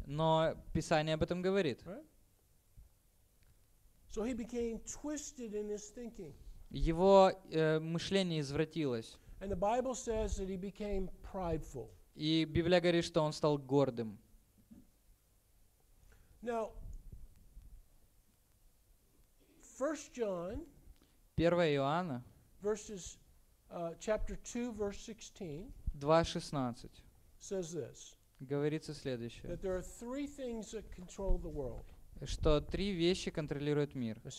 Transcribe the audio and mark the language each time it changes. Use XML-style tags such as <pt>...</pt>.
<ru>Но Писание об этом говорит.</ru> <en>Right? So he became twisted in his thinking.</en> <ru>Его мышление извратилось.</ru> <en>And the Bible says that he became prideful.</en> <ru>И Библия говорит, что он стал гордым.</ru> <en>Now, 1 John,</en> <ru>1 Иоанна,</ru> <en>verses, chapter 2, verse 16,</en> <ru>2.16 говорится следующее, что три вещи контролируют мир.</ru>